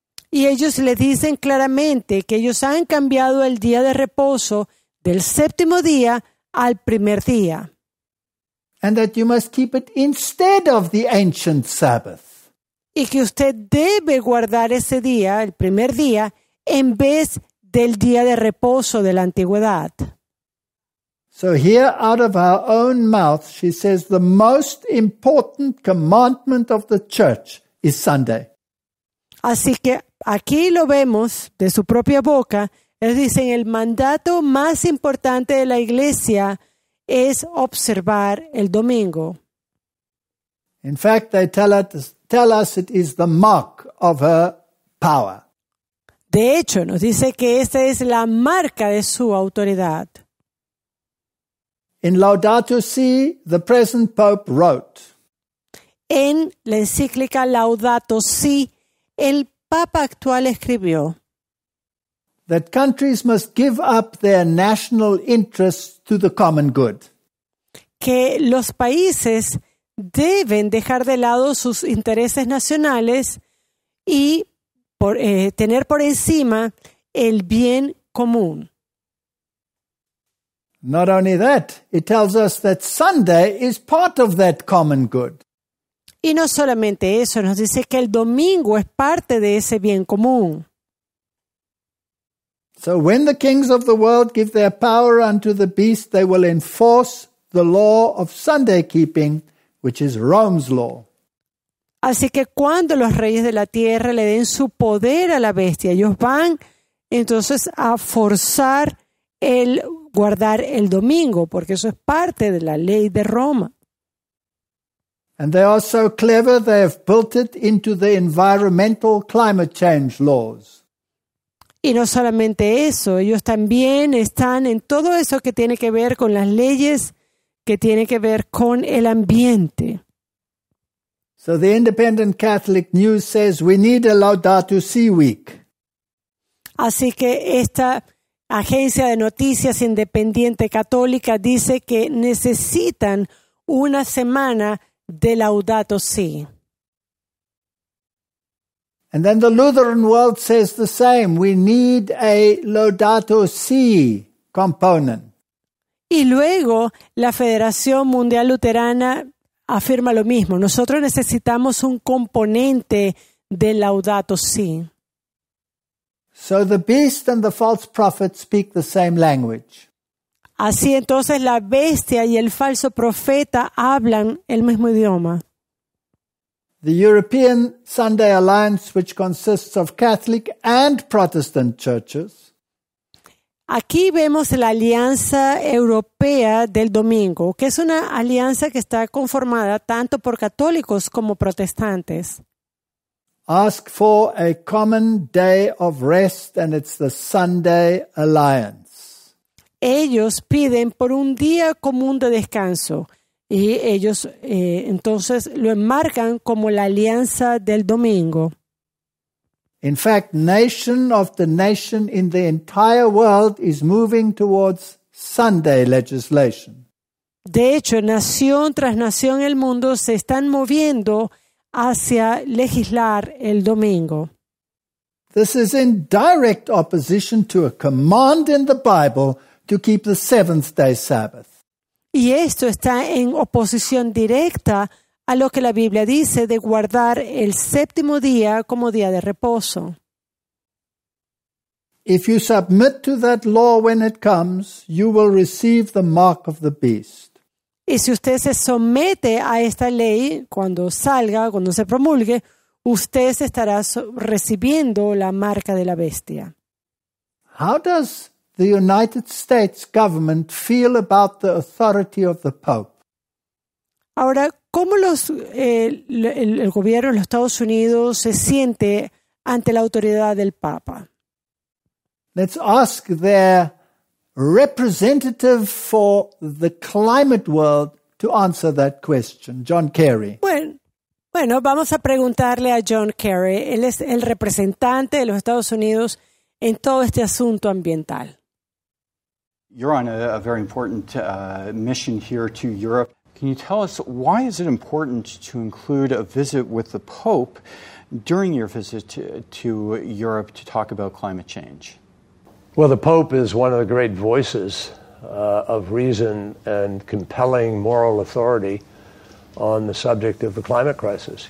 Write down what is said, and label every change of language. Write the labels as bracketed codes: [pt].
[es] Y ellos le dicen claramente que ellos han cambiado el día de reposo del séptimo día al primer día. [en] And that you must keep it instead of the ancient Sabbath. [es] Y que usted debe guardar ese día, el primer día, en vez del día de reposo de la antigüedad. [en] So here, out of her own mouth, she says the most important commandment of the church is Sunday. [es] Así que aquí lo vemos de su propia boca. Él dice, el mandato más importante de la iglesia es observar el domingo. [en] In fact, they tell us it is the mark of her power. [es] De hecho, nos dice que esta es la marca de su autoridad. [en] In Laudato Si, the present Pope wrote. [es] En la encíclica Laudato Si, el Papa actual escribió. [en] That countries must give up their national interests to the common good. [es] Que los países deben dejar de lado sus intereses nacionales y tener por encima el bien común. [en] Not only that, it tells us that Sunday is part of that common good. [es] Y no solamente eso, nos dice que el domingo es parte de ese bien común. [en] So when the kings of the world give their power unto the beast, they will enforce the law of Sunday keeping, which is Rome's law. [es] Así que cuando los reyes de la tierra le den su poder a la bestia, ellos van entonces a forzar el guardar el domingo, porque eso es parte de la ley de Roma. [en] And they are so clever, they have built it into the environmental climate change laws. [es] Y no solamente eso, ellos también están en todo eso que tiene que ver con las leyes, que tiene que ver con el ambiente. [en] So the Independent Catholic News says we need a Laudato Si week. [es] Así que esta agencia de noticias independiente católica dice que necesitan una semana de Laudato Si. [en] And then the Lutheran world says the same. We need a Laudato Si component. [es] Y luego la Federación Mundial Luterana afirma lo mismo. Nosotros necesitamos un componente de Laudato Si. [en] So the beast and the false prophet speak the same language. [es] Así entonces la bestia y el falso profeta hablan el mismo idioma. [en] The European Sunday Alliance, which consists of Catholic and Protestant churches. [es] Aquí vemos la Alianza Europea del Domingo, que es una alianza que está conformada tanto por católicos como protestantes. [en] Ask for a common day of rest, and it's the Sunday Alliance. [es] Ellos piden por un día común de descanso, y ellos entonces lo enmarcan como la Alianza del Domingo. [en] In fact, nation after nation in the entire world is moving towards Sunday legislation. [es] De hecho, nación tras nación en el mundo se están moviendo hacia legislar el domingo. [en] This is in direct opposition to a command in the Bible to keep the seventh day Sabbath. [es] Y esto está en oposición directa a lo que la Biblia dice de guardar el séptimo día como día de reposo. [en] If you submit to that law when it comes, you will receive the mark of the beast. [es] Y si usted se somete a esta ley, cuando salga, cuando se promulgue, usted estará recibiendo la marca de la bestia. [en] How does the United States government feel about the authority of the Pope? [es] Ahora, ¿cómo el gobierno de los Estados Unidos se siente ante la autoridad del Papa? Let's ask their representative for the climate world to answer that question, John Kerry. Bueno, vamos a preguntarle a John Kerry. Él es el representante de los Estados Unidos en todo este asunto ambiental. [en] You're on a very important mission here to Europe. Can you tell us why is it important to include a visit with the Pope during your visit to Europe to talk about climate change? Well, the Pope is one of the great voices of reason and compelling moral authority on the subject of the climate crisis.